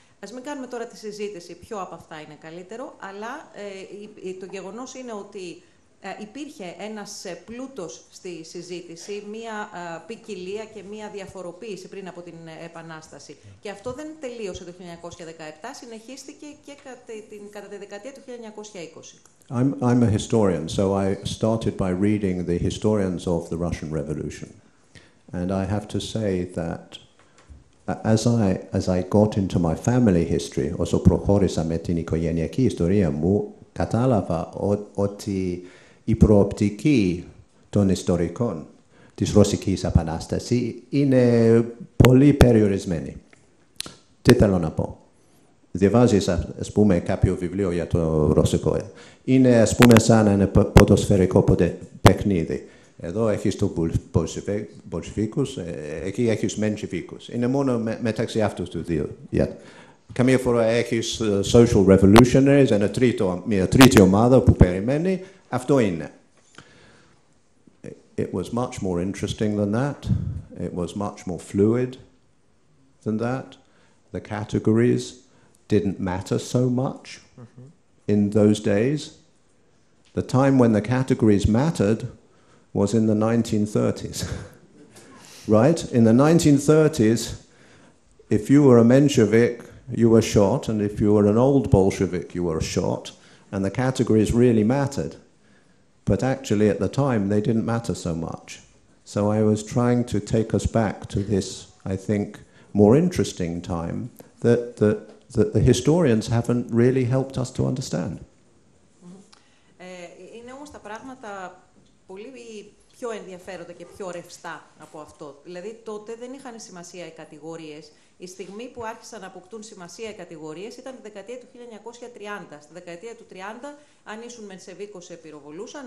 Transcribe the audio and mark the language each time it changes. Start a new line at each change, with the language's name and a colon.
Greek: Ας μην κάνουμε τώρα τη συζήτηση ποιο από αυτά είναι καλύτερο, αλλά το γεγονός είναι ότι υπήρχε ένας πλούτος στη συζήτηση, μία ποικιλία και μία διαφοροποίηση πριν από την Επανάσταση. Και αυτό δεν τελείωσε το 1917, συνεχίστηκε και κατά τη δεκαετία του 1920.
English: I'm a historian, so I started by reading the historians of the Russian Revolution. And I have to say that as I got into my family history,
Greek: όσο προχώρησα με την οικογενειακή ιστορία μου, κατάλαβα ότι η προοπτική των ιστορικών της Ρωσικής Επανάστασης είναι πολύ περιορισμένη. Τι θέλω να πω. Διαβάζεις, ας πούμε, κάποιο βιβλίο για το Ρωσικό. Είναι, ας πούμε, σαν ένα ποδοσφαιρικό παιχνίδι. Εδώ έχεις τους Μπολσεβίκους, εκεί έχεις Μενσεβίκους. Είναι μόνο μεταξύ αυτούς τους δύο. Καμία φορά έχεις
English: social revolutionaries,
Greek: μια τρίτη ομάδα που περιμένει. Αυτό είναι.
English: It was much more interesting than that. It was much more fluid than that. The categories didn't matter so much in those days. The time when the categories mattered was in the 1930s. Right? In the 1930s, if you were a Menshevik, you were shot, and if you were an old Bolshevik, you were shot, and the categories really mattered. But actually, at the time, they didn't matter so much. So I was trying to take us back to this, I think, more interesting time that the historians haven't really helped us to understand.
Greek: Είναι όμως τα πράγματα πολύ πιο ενδιαφέροντα και πιο ρευστά από αυτό. Δηλαδή, τότε δεν είχαν σημασία οι κατηγορίες. Η στιγμή που άρχισαν να αποκτούν σημασία οι κατηγορίες ήταν τη δεκαετία του 1930. Στη δεκαετία του 30, αν ήσουν Μενσεβίκος, σε πυροβολούσαν.